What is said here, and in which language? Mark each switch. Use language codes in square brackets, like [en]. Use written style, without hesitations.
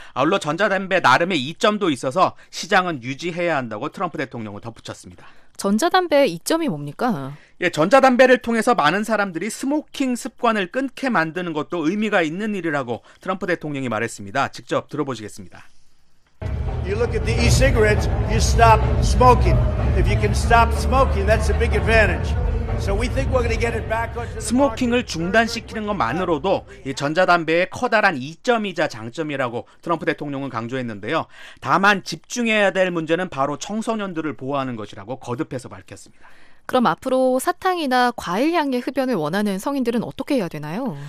[ko] 아울러 전자담배 나름의 이점도 있어서 시장은 유지해야 한다고 트럼프 대통령은 덧붙였습니다. 전자담배의 이점이 뭡니까? 예, 전자담배를 통해서 많은 사람들이 스모킹 습관을 끊게 만드는 것도 의미가 있는 일이라고 트럼프 대통령이 말했습니다. 직접 들어보시겠습니다. [en] You look at the e-cigarettes, you stop smoking. If you can stop smoking, that's a big advantage. So we think we're going to get it back. [ko] 스모킹을 중단시키는 것만으로도 이 전자담배의 커다란 이점이자 장점이라고 트럼프 대통령은 강조했는데요. 다만 집중해야 될 문제는 바로 청소년들을 보호하는 것이라고 거듭해서 밝혔습니다. 그럼 앞으로 사탕이나 과일 향의 흡연을 원하는 성인들은 어떻게 해야 되나요?